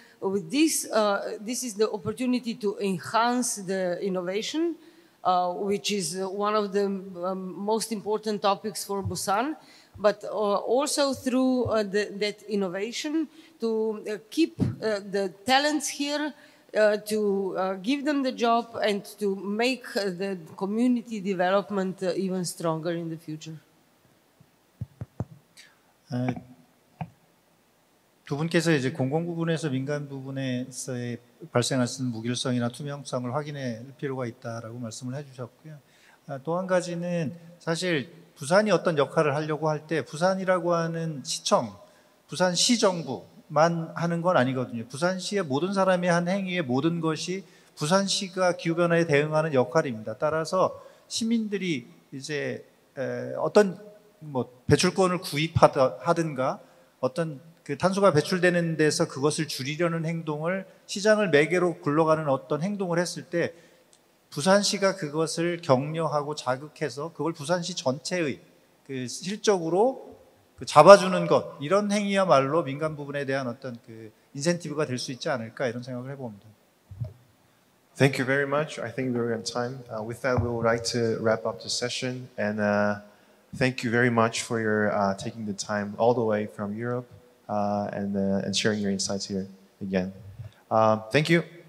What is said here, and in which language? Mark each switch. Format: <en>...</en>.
<en>With this, this is the opportunity to enhance the innovation, which is one of the most important topics for Busan, but also through that innovation to keep the talents here, to give them the job and to make the community development even stronger in the future.</en> <ko>두 분께서 이제 공공 부분에서 민간 부분에서의 발생할 수 있는 무결성이나 투명성을 확인해 할 필요가 있다라고 말씀을 해주셨고요. 또 한 가지는 사실 부산이 어떤 역할을 하려고 할 때 부산이라고 하는 시청, 부산시 정부만 하는 건 아니거든요. 부산시의 모든 사람이 한 행위의 모든 것이 부산시가 기후변화에 대응하는 역할입니다. 따라서 시민들이 이제 어떤 뭐 배출권을 구입하든가 어떤 그 탄소가 배출되는 데서 그것을 줄이려는 행동을 시장을 매개로 굴러가는 어떤 행동을 했을 때 부산시가 그것을 격려하고 자극해서 그걸 부산시 전체의 그 실적으로 그 잡아주는 것 이런 행위야말로 민간 부분에 대한 어떤 그 인센티브가 될 수 있지 않을까 이런 생각을 해봅니다.</ko> <en>Thank you very much. I think we're on time. With that, we would like to wrap up the session. And thank you very much for your taking the time all the way from Europe and sharing your insights here again. Thank you.</en>